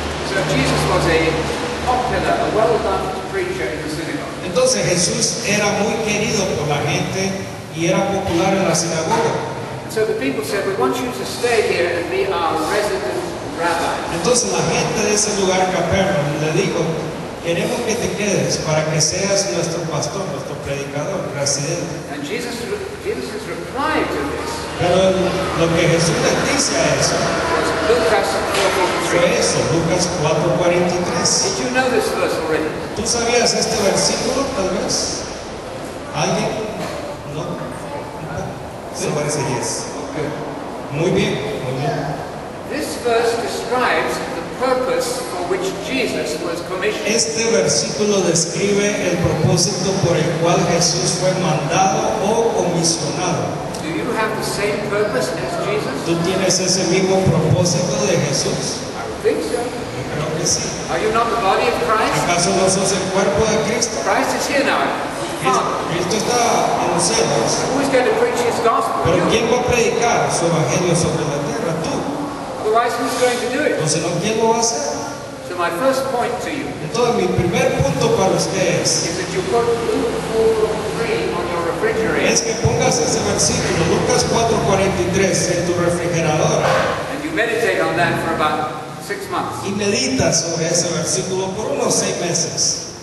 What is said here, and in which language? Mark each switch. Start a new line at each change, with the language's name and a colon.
Spanish: Entonces Jesús era muy querido por la gente y era popular en la sinagoga.
English: So the people said, we want you to stay here and be our resident rabbi.
Spanish: Entonces la gente de ese lugar, Capernaum, le dijo, queremos que te quedes para que seas nuestro pastor, nuestro predicador, residente.
English: And Jesus replied to this.
Spanish: Pero lo que Jesús le dice a eso, Lucas 4:43.
English: Did you know this verse already?
Spanish: ¿Tú sabías este versículo, tal vez? ¿Alguien? ¿No? Se parece, yes. Muy bien.
English: This verse describes the purpose for which Jesus was commissioned.
Spanish: Este versículo describe el propósito por el cual Jesús fue mandado o comisionado.
English: Do you have the same purpose as Jesus?
Spanish: ¿Tú tienes ese mismo propósito de Jesús?
English: I think so. Are you not the body of Christ?
Spanish: ¿Acaso no sos el cuerpo de Cristo?
English: Christ is here now.
Spanish: Cristo está en los cielos.
English: Who's going to preach his gospel?
Spanish: Pero ¿quién va a predicar su evangelio sobre la tierra? Tú.
English: Otherwise, who's going to do it?
Spanish: Entonces, ¿no? ¿Quién lo va a hacer?
English: So my first point to you.
Spanish: Entonces, mi primer punto para ustedes
English: is that you put Luke 4:43 on your refrigerator.
Spanish: Es que pongas ese versículo, Lucas 4:43, en tu refrigerador.
English: And you meditate on that for about 6 months.
Spanish: Y meditas sobre ese versículo por unos 6 meses.